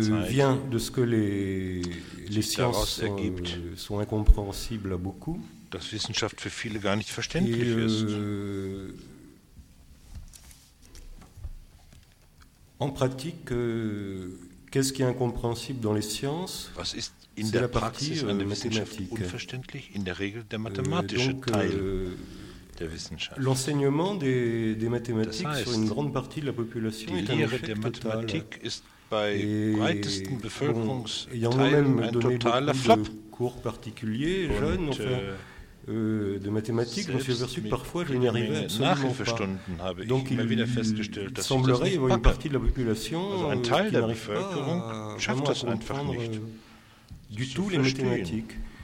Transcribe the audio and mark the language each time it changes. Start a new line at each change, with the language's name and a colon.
German: Zeit,
French: vient de ce que les sciences sont incompréhensibles à beaucoup.
German: Dass Wissenschaft für viele gar nicht verständlich ist.
French: En pratique, qu'est-ce qui est incompréhensible dans les sciences?
German: Was ist in der Praxis an der Wissenschaft unverständlich? In der Regel der mathematische Teil der Wissenschaft.
French: L'enseignement des mathématiques sur une grande partie de la population est un effet total.
German: Ist bei breitesten Bevölkerungsteilen ein totaler Flop.
French: Cours particulier, jeune, enfin, de mathématiques, je me suis aperçu que parfois je n'y arrivais absolument pas. Donc il semblerait y avoir une partie de la population qui n'arrive pas à vraiment comprendre du tout les mathématiques.